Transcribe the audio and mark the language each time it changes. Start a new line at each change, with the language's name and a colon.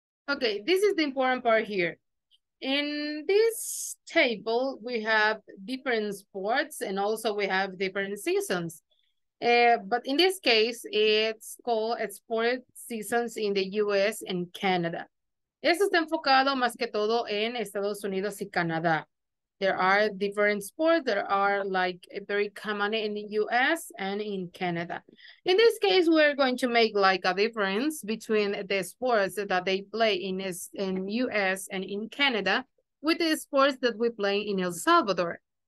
English: Okay, this is the important part here. In this table, we have different sports and also we have different seasons. But in this case, it's called Sports Seasons in the US and Canada.
Spanish: Esto está enfocado más que todo en Estados Unidos y Canadá.
English: There are different sports that are like very common in the US and in Canada. In this case, we're going to make like a difference between the sports that they play in US and in Canada with the sports that we play in El Salvador.